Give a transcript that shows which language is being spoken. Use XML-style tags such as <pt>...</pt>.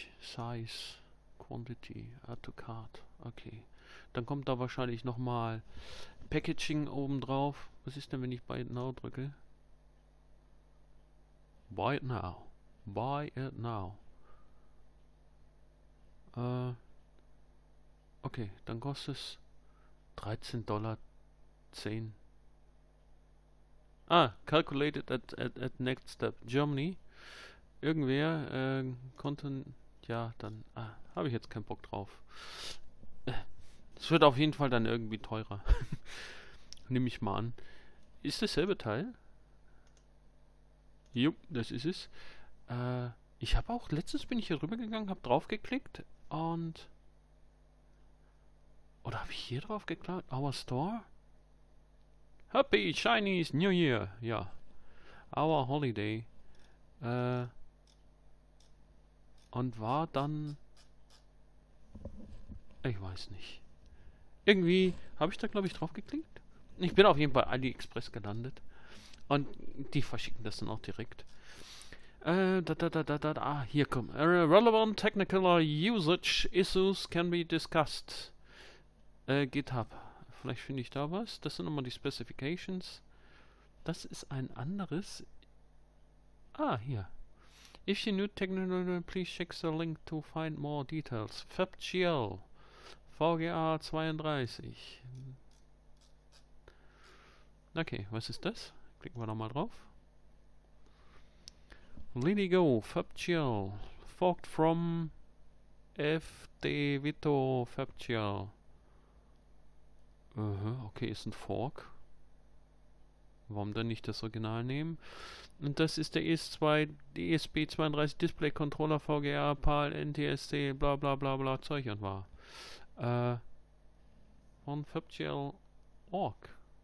<en>Size, Quantity, Add to Cart. Okay.</en> <de>Dann kommt da wahrscheinlich nochmal Packaging oben drauf. Was ist denn, wenn ich Buy It Now drücke?</de> <en>Buy It Now. Buy It Now.</en> <de>Okay, dann kostet es $13,10.</de> <en>Ah, calculated at next step.</en> <de>Germany. Irgendwer konnte. Ja, dann. Ah, habe ich jetzt keinen Bock drauf. Es wird auf jeden Fall dann irgendwie teurer. Nehme ich mal an. Ist dasselbe Teil? Jupp, das ist es. Ich habe auch, letztens bin ich hier rüber gegangen, habe draufgeklickt und. Oder habe ich hier drauf geklickt?</de> <en>Our Store? Happy Chinese New Year! Ja. Our Holiday.</en> <de>Und war dann. Ich weiß nicht. Irgendwie habe ich da, glaube ich, drauf geklickt. Ich bin auf jeden Fall AliExpress gelandet. Und die verschicken das dann auch direkt. Hier kommt.</de> <en>Relevant technical usage issues can be discussed. GitHub.</en> <de>Vielleicht finde ich da was. Das sind nochmal die Specifications. Das ist ein anderes. Ah, hier.</de> <en>If you new technology, please check the link to find more details. FabGL. VGA 32.</en> <de>Okay, was ist das? Klicken wir nochmal drauf. LilyGo, FabGL.</de> <en>Forked from FD Vito FabGL.</en> <de>Okay, ist ein Fork. Warum dann nicht das Original nehmen? Und das ist der ESP32 Display Controller VGA, PAL, NTSC, bla bla bla bla Zeug und war. Von FabGL.org.</de>